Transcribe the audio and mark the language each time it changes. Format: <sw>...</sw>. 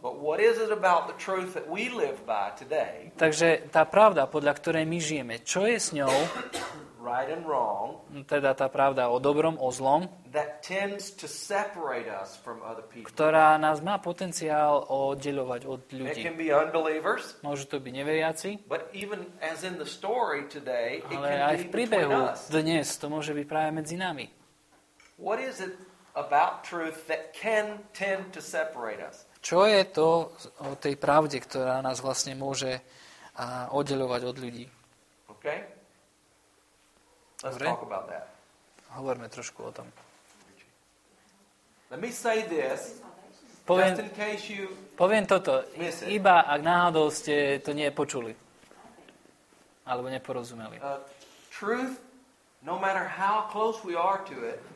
<en>But what is it about the truth that we live by today?</en> <sk>Takže tá pravda, podľa ktorej my žijeme, čo je s ňou?</sk> <en>Right and wrong.</en> <sk>Teda tá pravda o dobrom, o zlom.</sk> <en>That tends to separate us from other people.</en> <sk>Ktorá nás má potenciál oddeľovať od ľudí.</sk> <en>It can be unbelievers.</en> <sk>Môžu to byť neveriaci.</sk> <en>But even as in the story today, it can be between us.</en> <sk>Ale aj v príbehu dnes to môže byť práve medzi nami.</sk> <en>What is it about truth that can tend to separate us?</en> <sk>Čo je to o tej pravde, ktorá nás vlastne môže oddeľovať od ľudí?</sk> <en>Okay. Let's Dobre. Talk about that.</en> <sk>Hovorme trošku o tom.</sk> <en>Let me say this. Just in case you</en> <sk>poviem toto, iba ak náhodou ste to nepočuli alebo neporozumeli.</sk> <en>Truth, no matter how close we are to it.</en>